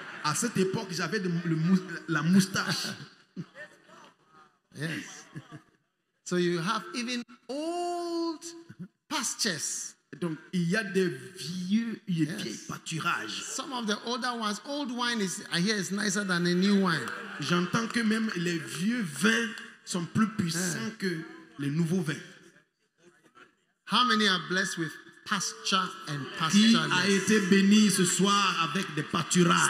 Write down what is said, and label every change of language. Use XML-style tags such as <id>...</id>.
<fr>À cette époque, j'avais la moustache.</fr> <en>Yes. So you have even old pastures.</en> <fr>Donc il y a des vieux pâturages.</fr> <en>Some of the older ones, old wine is, I hear, is nicer than a new wine.</en> <fr>J'entends que même les vieux vins sont plus puissants que les nouveaux vins.</fr> <en>How many are blessed with pasture and pasture?</en> <fr>Qui a été béni ce soir avec des pâturages?</fr>